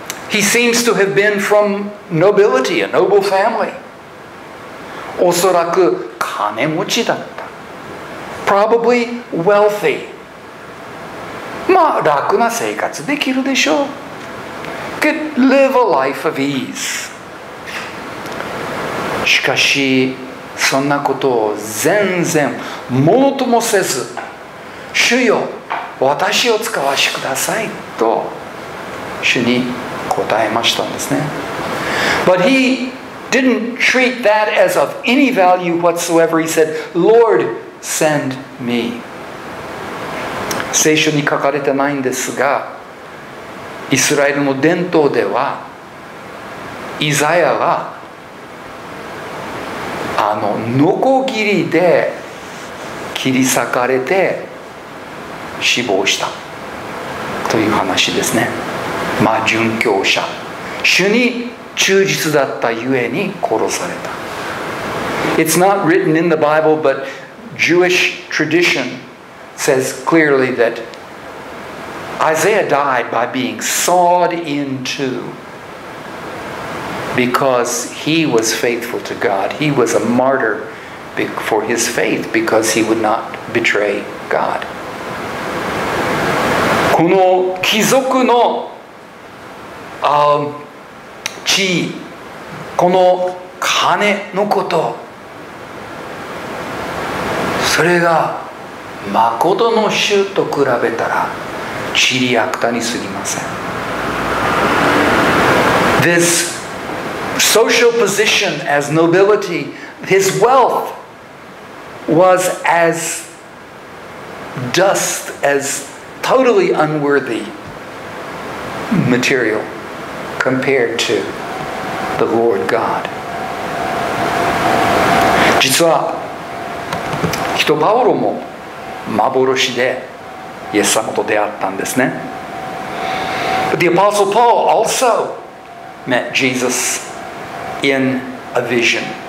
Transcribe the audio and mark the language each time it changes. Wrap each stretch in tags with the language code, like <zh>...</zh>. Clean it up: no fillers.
<en>He seems to have been from nobility, a noble family.</en> <ja>おそらく金持ちだった。</ja> <en>Probably wealthy.</en> <ja>まあ楽な生活できるでしょう。</ja> <en>Could live a life of ease.</en> <ja>しかしそんなことを全然ものともせず、主よ、私を使わしてくださいと主に答えましたんですね。</ja> <en>But he didn't treat that as of any value whatsoever. He said, Lord. Send me.</en> <ja>聖書に書かれてないんですが、イスラエルの伝統ではイザヤはノコギリで切り裂かれて死亡したという話ですね。まあ殉教者、主に忠実だったゆえに殺された。</ja> <en>It's not written in the Bible, butJewish tradition says clearly that Isaiah died by being sawed in two. because he was faithful to God. He was a martyr for his faith because he would not betray God.</en> <ja>この貴族の地位、この金のこと、それが誠の主と比べたら塵やくたにすぎません。</ja> <en>This social position as nobility, his wealth was as dust, as totally unworthy material compared to the Lord God.</en> <ja>実は、人パウロも幻でイエス様と出会ったんですね。</ja> <en>But the Apostle Paul also met Jesus in a vision.</en>